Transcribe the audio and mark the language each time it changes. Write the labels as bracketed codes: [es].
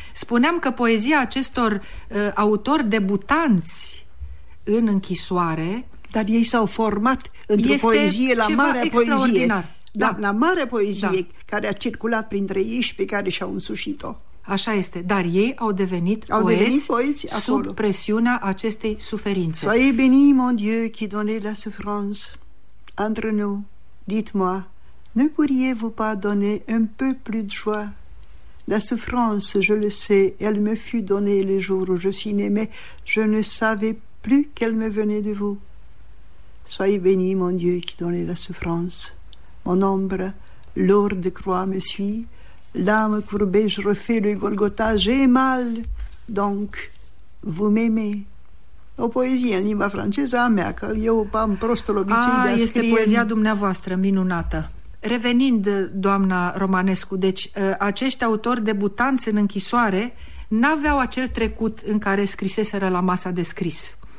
[ro] Spuneam că poezia acestor autori debutanți în închisoare, dar ei s-au format într-o poezie la marea poezie. Da. La marea poezie, da, care a circulat printre ei și pe care și-au însușit-o. Așa este, dar ei au devenit, au poeți, devenit poeți acolo, sub presiunea acestei suferințe. [fr] Soyez béni, mon Dieu, qui donnez la souffrance entre nous. Dites-moi, ne pourriez-vous pas donner un peu plus de joie? La souffrance, je le sais, elle me fut donnée le jour où je suis née, mais je ne savais plus qu'elle me venait de vous. Soyez béni, mon Dieu, qui donne la souffrance. Mon ombre, lourde croix, me suit. L'âme courbée, je refais le Golgotha. J'ai mal, donc, vous m'aimez. [ro] O poezie în limba franceză a mea, că eu am prostul obicei de a scrie... Este poezia dumneavoastră, minunată. Revenind, doamna Romanescu, deci, acești autori debutanți în închisoare n-aveau acel trecut în care scriseseră la masa de scris.